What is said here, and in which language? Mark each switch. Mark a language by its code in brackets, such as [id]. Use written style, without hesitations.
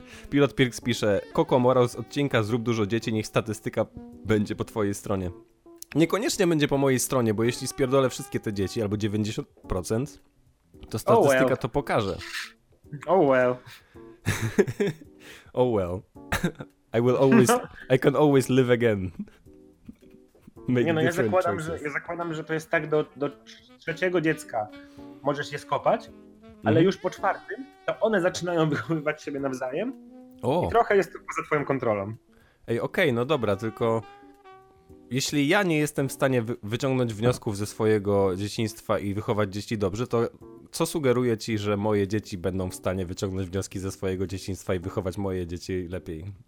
[pl] Pilot Pirks pisze, Koko morał z odcinka, zrób dużo dzieci, niech statystyka będzie po twojej stronie. Niekoniecznie będzie po mojej stronie, bo jeśli spierdolę wszystkie te dzieci, albo 90%, to statystyka to pokaże. [en] Oh well. Oh well. I will always, I can always live again. [pl] Nie, no ja zakładam, że to jest tak do trzeciego dziecka możesz je skopać, ale już po czwartym to one zaczynają wychowywać siebie nawzajem i trochę jest to poza twoją kontrolą. Ej, okej, no dobra, tylko jeśli ja nie jestem w stanie wyciągnąć wniosków ze swojego dzieciństwa i wychować dzieci dobrze, to co sugeruje ci, że moje dzieci będą w stanie wyciągnąć wnioski ze swojego dzieciństwa i wychować moje dzieci lepiej?